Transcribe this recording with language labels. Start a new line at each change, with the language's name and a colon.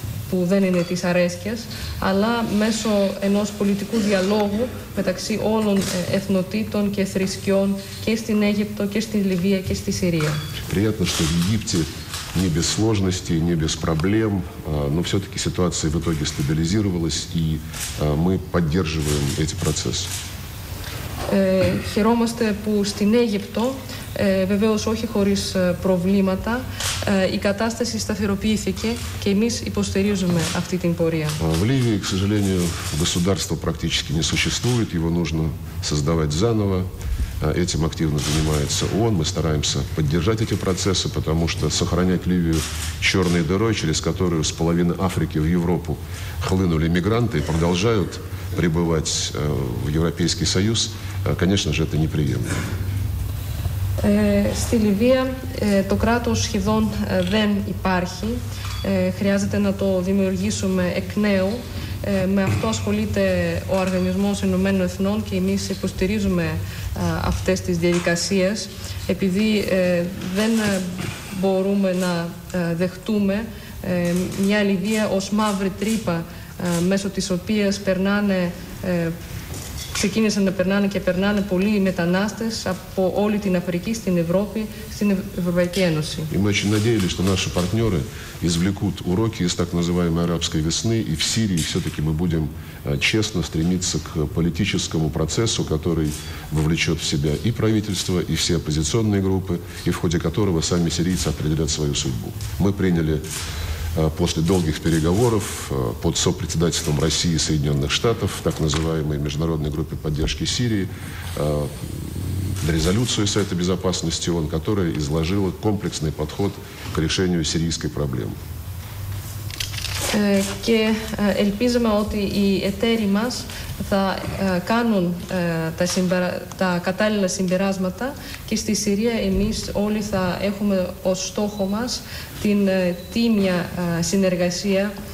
Greek: που δεν είναι της αρέσκειας, αλλά μέσω ενός πολιτικού διαλόγου μεταξύ όλων εθνοτήτων και θρησκειών και στην Αίγυπτο και στη Λιβύη και στη Συρία.
Russian: Приятно, что в Египте не без сложностей, не без проблем, но все-таки ситуация в итоге стабилизировалась, и мы поддерживаем эти процессы.
Greek: Χαιρόμαστε που στην Αίγυπτο, βεβαίως όχι χωρίς προβλήματα, η κατάσταση σταθεροποιήθηκε και εμείς υποστηρίζουμε αυτή την πορεία.
Russian: В Ливии, к сожалению, государство практически не существует, его нужно создавать заново. Этим активно занимается ООН. Мы стараемся поддержать эти процессы, потому что сохранять Ливию черной дырой, через которую с половины Африки в Европу хлынули мигранты и продолжают прибывать в Европейский Союз, конечно же, это неприемлемо.
Greek: Στη Λιβύα το κράτος σχεδόν δεν υπάρχει. Χρειάζεται να το δημιουργήσουμε εκ νέου. Με αυτό ασχολείται ο Οργανισμός Ηνωμένων Εθνών και εμείς υποστηρίζουμε αυτές τις διαδικασίες, επειδή δεν μπορούμε να δεχτούμε μια Λιβύα ως μαύρη τρύπα μέσω της οποίας περνάνε ξεκίνησαν να περνάνε και περνάνε πολλοί μετανάστες από όλη την Αφρική, στην Ευρώπη, στην Ευρωπαϊκή Ένωση. Είμαι
Russian: очень надеялись, что наши партнеры извлекут уроки из так называемой арабской весны, и в Сирии все-таки мы будем честно стремиться к политическому процессу, который вовлечет в себя и правительство, и все оппозиционные группы, и в ходе которого сами сирийцы определят свою судьбу. Мы приняли после долгих переговоров под сопредседательством России и Соединенных Штатов в так называемой международной группе поддержки Сирии резолюцию Совета Безопасности ООН, которая изложила комплексный подход к решению сирийской проблемы.
Greek: Και ελπίζουμε ότι οι εταίροι μας θα κάνουν τα κατάλληλα συμπεράσματα και στη Συρία εμείς όλοι θα έχουμε ως στόχο μας την τίμια συνεργασία,